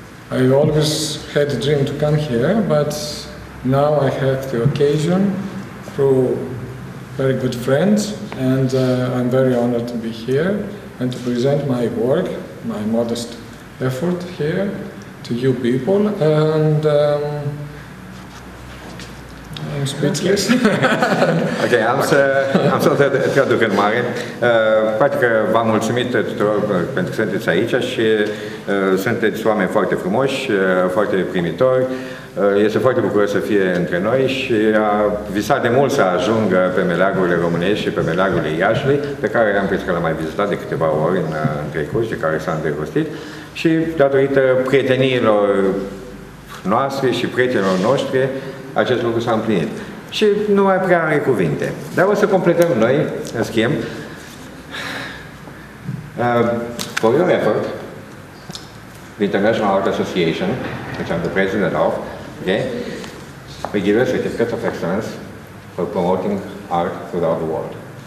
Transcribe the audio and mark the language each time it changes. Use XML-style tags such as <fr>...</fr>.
<en>I always had a dream to come here, but now I have the occasion through very good friends, and I'm very honored to be here and to present my work, my modest effort here to you people, and I'm speechless.</en> <ro>Okay, am să traduc în mare. Poate că v-am mulțumit tuturor pentru că sunteți aici și sunteți oameni foarte frumoși, foarte primitori. Este foarte bucuros să fie între noi și a visat de mult să ajungă pe meleagurile românești și pe meleagurile Iașului, pe care am prins că l-am mai vizitat de câteva ori în trecut și de care s-a îndrăgostit. Și datorită prieteniilor noastre și prietenilor noștri, acest lucru s-a împlinit. Și nu mai prea are cuvinte. Dar o să completăm noi, în schimb.</ro> <en>For your effort, the International Art Association, which I'm the president of, okay, we give you a certificate of excellence for promoting art throughout the world.</en>